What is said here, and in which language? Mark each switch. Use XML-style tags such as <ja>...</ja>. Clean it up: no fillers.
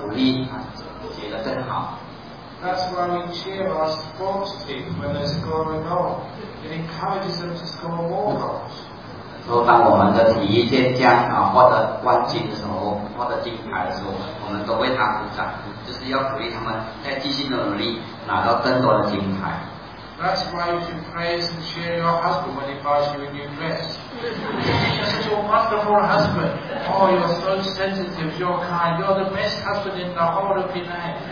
<zh>这就是为什么我们给那些在学校有成绩好的学生奖励和奖品，让他们更加受鼓励，学得更好。</zh> <en>That's why we cheer our sports team when they score a goal. It encourages them to score more goals.</en> <zh>所以当我们的体育健将获得冠军的时候，获得金牌的时候，我们都为他鼓掌，就是要鼓励他们再继续努力，拿到更多的金牌。</zh> <en>That's why you should praise and cheer your husband when he buys you a new dress. This is your wonderful husband. Oh, you're so sensitive, you're kind. You're the best husband in the whole of Penang.</en>